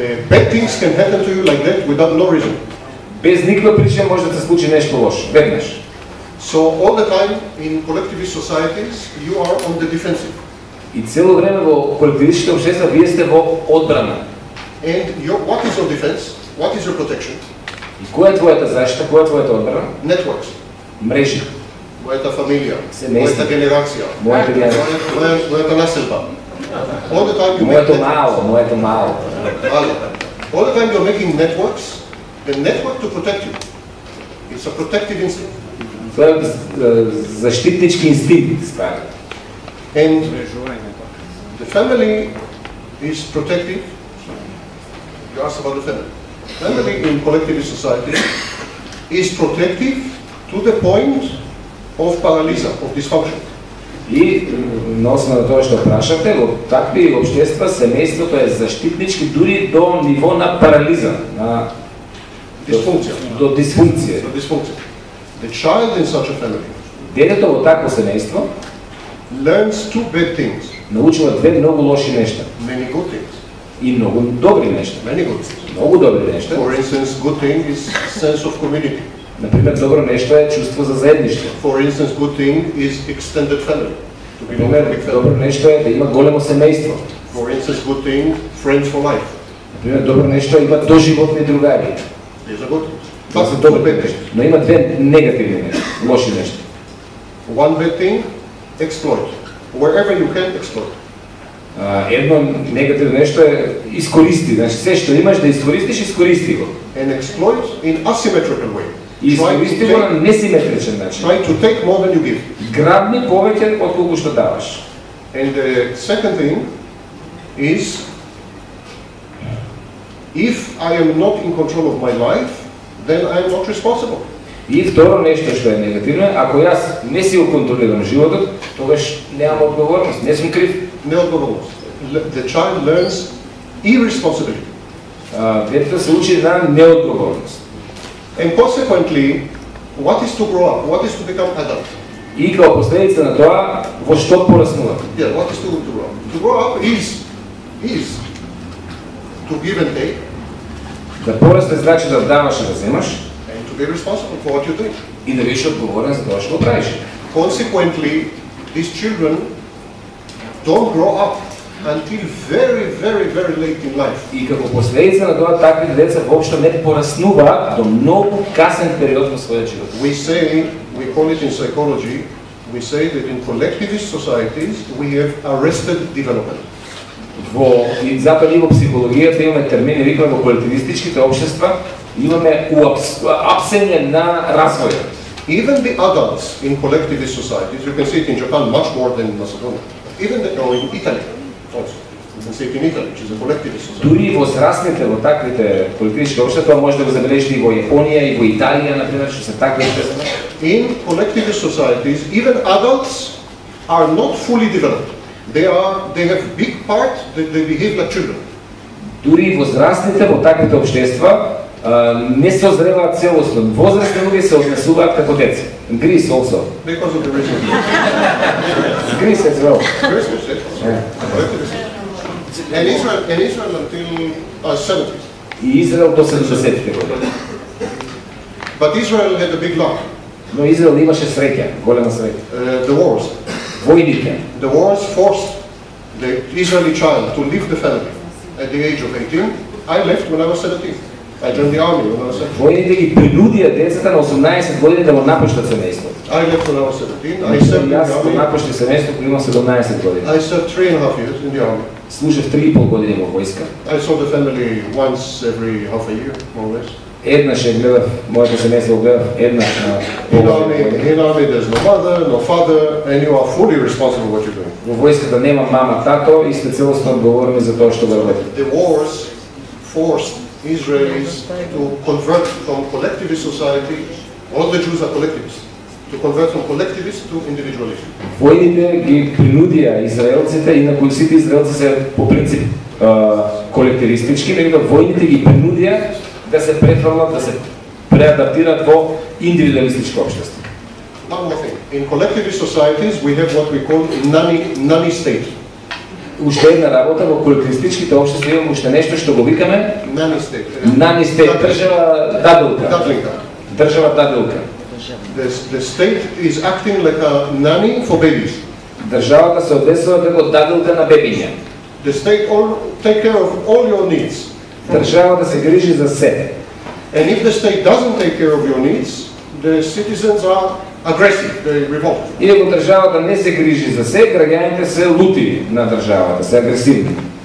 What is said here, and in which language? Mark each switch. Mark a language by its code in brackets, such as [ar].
[en] Bad things can happen to you like that without no reason. [mk] Без никаква причина може да се случи нешто лошо. Веднаш. [en] So all the time in collectivist societies you are on the defensive. [mk] И цело време во колективистичките општества вие сте во одбрана. [en] And your, what is your defense? What is your protection? [mk] И која е твојата заштита, која е твојата одбрана? [en] Networks. [mk] Мрежи. Мојата фамилија. Семејство. Мојата генерација. Мојата мојата населба. Мојата мало, мојата мало. [en] All the time you're making networks, the network to protect you. It's a protective instinct. [mk] Тоа е заштитнички инстинкт, стари. [en] And the family is protective. You ask about the family. Family in collective society is protective to the point of paralysis, of dysfunction. [mk] И на основа на тоа што прашате, во такви општества семејството е заштитнички дури до ниво на парализа, на дисфункција, до дисфункција. До дисфункција. [en] The child in such a family. [mk] Детето во такво семејство [en] learns two bad things. [mk] Научува две многу лоши нешта. [en] Many good things. [mk] И многу добри нешта. [en] Many good. [mk] Многу добри нешта. [en] For instance, good thing is sense of community. [mk] На пример, добро нешто е чувство за заедништво. [en] For instance, good thing is extended family. [mk] Пример, добро нешто е да има големо семејство. [en] For instance, good thing, friends for life. [mk] На пример, добро нешто е има доживотни другари. [en] There's a good. [mk] Тоа се добри нешта. Но има две негативни нешта, лоши нешта. [en] One bad thing, exploit. Wherever you can, exploit. [mk] Едно негативно нешто е искористи, значи се што имаш да искористиш, искористи го. [en] And exploit in asymmetrical way. [mk] Искористи го на несиметричен начин. [en] Try to take more than you give. [mk] Грабни повеќе од колку што даваш. [en] And the second thing is if I am not in control of my life, then I am not responsible. [mk] И второ нешто што е негативно е, ако јас не си го контролирам животот, тогаш немам одговорност, не сум крив. Не одговорност. [en] The child learns irresponsibility. [mk] Детето се учи на неодговорност. [en] And consequently, what is to grow up? What is to become adult? [mk] И како последица на тоа, во што пораснува? [en] Yeah, what is to grow up? To grow up is to give and take. [mk] Да порасне значи да даваш и да земаш. [en] And to be responsible for what you do. [mk] И да бидеш одговорен за тоа што правиш. [en] Consequently, these children don't grow up until very, very, very late in life. [mk] И како последица на тоа, такви деца воопшто не пораснуваат до многу касен период во својот живот. [en] We say, we call it in psychology, we say that in collectivist societies we have arrested development. [mk] Во и затоа ние во психологијата имаме термин и викаме во колективистичките општества имаме апсење на развој. [en] Even the adults in collectivist societies, you can see it in Japan much more than in Macedonia. Even the no, in Italy, also. You can see it in Italy, which is a collectivist society. [mk] Дури во зрасните во таквите колективистички општества може да го забележите и во Јапонија и во Италија, например, што се такви општества. [en] In collectivist societies, even adults are not fully developed. They have big part that they behave like children. [mk] Дури во зрасните во таквите општества не се озреваат целосно. Возрасни луѓе се однесуваат како деца. [en] Greece also. Because of the reason. Greece as well. Greece as well. And Israel, until 70s. [mk] И Израел до 70-те години. [en] But Israel had a big luck. [mk] Но Израел имаше среќа, голема среќа. [en] The wars. [mk] Војните. [en] The wars forced the Israeli child to leave the family at the age of 18. I left when I was 17. I joined the army when I was 17. [mk] Војните ги принудија децата на 18 години да го напуштат семејството. [en] I left when I was 17. I served in the army. [mk] Јас го напуштив семејството кога имав 17 години. [en] I served 3.5 years in the army. [mk] Служев 3.5 години во војска. [en] I saw the family once every half a year, more or less. [mk] Еднаш ја гледав, мојата семејство гледав, еднаш на [en] In army, there's no mother, no father, and you are fully responsible for what you're doing. [mk] Во војската нема мама, тато, и сте целосно одговорни за тоа што го работите. [en] The wars forced Israelis to convert from collectivist society, all the Jews are collectivists, to convert from collectivist to individualism. [mk] Војните ги принудија израелците, инаку сите израелци се по принцип колективистички, но војните ги принудија да се претворат, да се преадаптират во индивидуалистичко општество. [en] In collectivist societies we have what we call nanny state. [mk] Уште една работа во колективистичките општества имаме уште нешто што го викаме [en] nanny state. [mk] Nanny state, држава дадилка. Држава дадилка. [en] The state is acting like a nanny for babies. [mk] Државата се однесува како дадилка на бебиња. [en] The state all take care of all your needs. [mk] Државата се грижи за се. [en] And if the state doesn't take care of your needs, the citizens are aggressive, they revolt. [mk] И ако државата не се грижи за се, граѓаните се лути на државата, се агресивни.